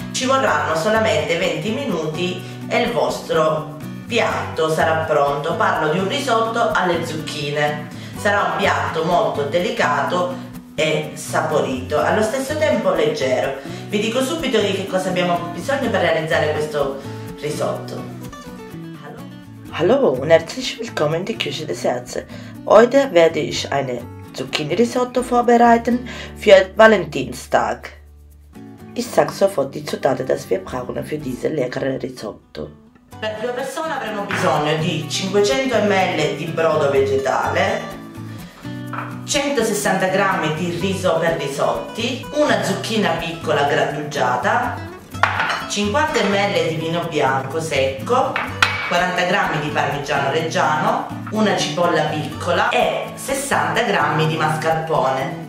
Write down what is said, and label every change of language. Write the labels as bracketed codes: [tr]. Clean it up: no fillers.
[it] Ci vorranno solamente 20 minuti e il vostro piatto sarà pronto. Parlo di un risotto alle zucchine. Sarà un piatto molto delicato e saporito, allo stesso tempo leggero. Vi dico subito di che cosa abbiamo bisogno per realizzare questo risotto. [de] Hallo und herzlich willkommen in die Küche des Herzens. Heute werde ich eine Zucchini-Risotto vorbereiten für Valentinstag. Ich sag sofort die Zutaten, die wir brauchen für diese leckere Risotto. [it] Per due persone avremo bisogno di 500 ml di brodo vegetale, 160 g di riso per risotti, una zucchina piccola grattugiata, 50 ml di vino bianco secco, 40 g di parmigiano reggiano, una cipolla piccola e 60 g di mascarpone.